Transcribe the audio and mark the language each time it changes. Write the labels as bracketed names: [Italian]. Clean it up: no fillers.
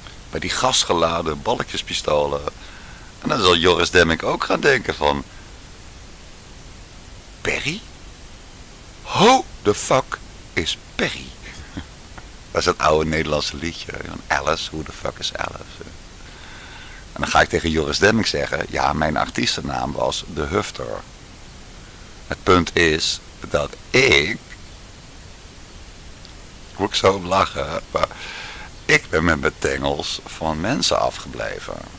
[Dutch] Met die gasgeladen balletjespistolen. En dan zal Joris Demmink ook gaan denken van, Perry? [English] Who the fuck is Perry? [Dutch] Dat is het oude Nederlandse liedje. [English] Alice, who the fuck is Alice? [Dutch] En dan ga ik tegen Joris Demmink zeggen, ja, mijn artiestennaam was De Hufter. Het punt is dat ik, moet ik zo lachen, maar ik ben met mijn tengels van mensen afgebleven.